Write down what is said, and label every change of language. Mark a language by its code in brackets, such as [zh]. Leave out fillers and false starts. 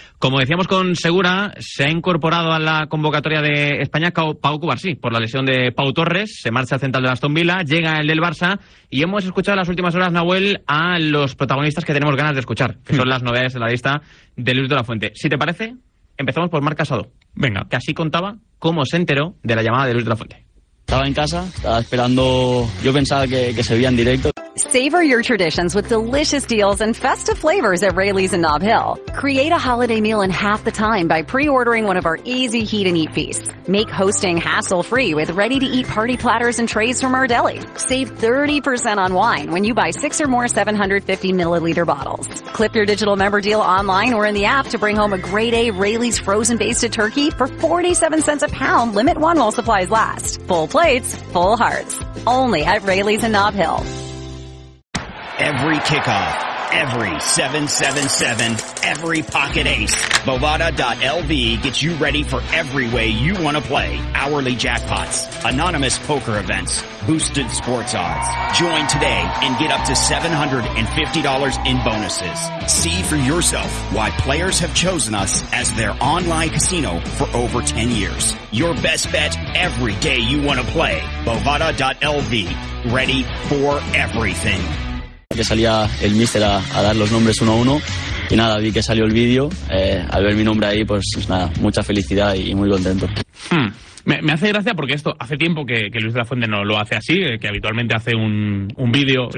[es] Como decíamos con Segura, se ha incorporado a la convocatoria de España Pau Cubarsí, por la lesión de Pau Torres, se marcha al central de Aston Villa, llega el del Barça, y hemos escuchado en las últimas horas, Nahuel, a los protagonistas que tenemos ganas de escuchar, que son las novedades de la lista de Luis de la Fuente. Si te parece, empezamos por Marc Casado. Venga. Que así contaba cómo se enteró de la llamada de Luis de la Fuente. Estaba en casa, estaba esperando, yo pensaba que se veía en directo. [en] Savor your traditions with delicious deals and festive flavors at Raley's and Nob Hill. Create a holiday meal in half the time by pre-ordering one of our easy heat and eat feasts. Make hosting hassle-free with ready-to-eat party platters and trays from our deli. Save 30% on wine when you buy six or more 750-milliliter bottles. Clip your digital member deal online or in the app to bring home a grade-A Raley's frozen basted turkey for 47 cents a pound, limit one while supplies last. Full plates, full hearts. Only at Raley's and Nob Hill. Every kickoff, every 7-7-7, every pocket ace. Bovada.lv gets you ready for every way you want to play. Hourly jackpots, anonymous poker events, boosted sports odds. Join today and get up to $750 in bonuses. See for yourself why players have chosen us as their online casino for over 10 years. Your best bet every day you want to play. Bovada.lv, ready for everything. [es] Que salía el míster a dar los nombres uno a uno y nada, vi que salió el vídeo, al ver mi nombre ahí, pues nada, mucha felicidad y muy contento. Me hace gracia porque esto hace tiempo que Luis de la Fuente no lo hace así, que habitualmente hace un vídeo, sí.